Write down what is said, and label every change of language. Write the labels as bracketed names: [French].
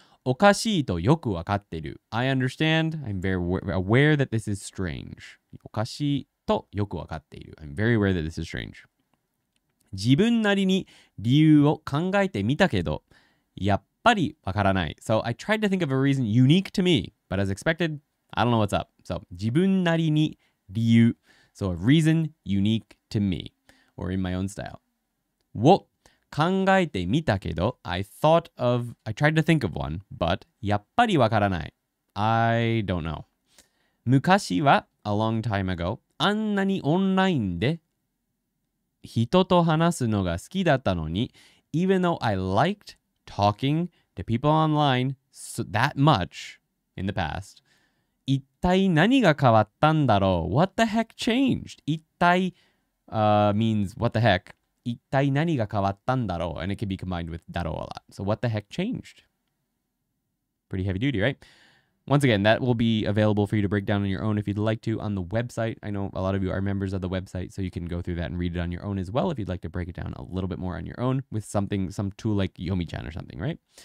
[Japanese] おかしいとよくわかってる。 [English] I understand. I'm very aware that this is strange. [Japanese] おかしいとよくわかっている。 [English] I'm very aware that this is strange. [Japanese] 自分なりに理由を考えてみたけど、やっぱりやっぱりわからない。 [English] So I tried to think of a reason unique to me, but as expected, I don't know what's up. So [Japanese] 自分なりに理由。 [English] So a reason unique to me, or in my own style. [Japanese] を考えてみたけど、 [English] I tried to think of one, but [Japanese] やっぱりわからない。 [English] I don't know. [Japanese] 昔は、 [English] a long time ago, [Japanese] あんなにオンラインで人と話すのが好きだったのに、 [English] even though I likedTalking to people online so that much in the past. [Japanese] 一体何が変わったんだろう? [English] What the heck changed? 一体 means what the heck. [Japanese] 一体何が変わったんだろう? [English] And it can be combined with だろう a lot. So what the heck changed? Pretty heavy duty, right? Once again, that will be available for you to break down on your own if you'd like to on the website. I know a lot of you are members of the website, so you can go through that and read it on your own as well if you'd like to break it down a little bit more on your own with something, some tool like Yomi-chan or something, right?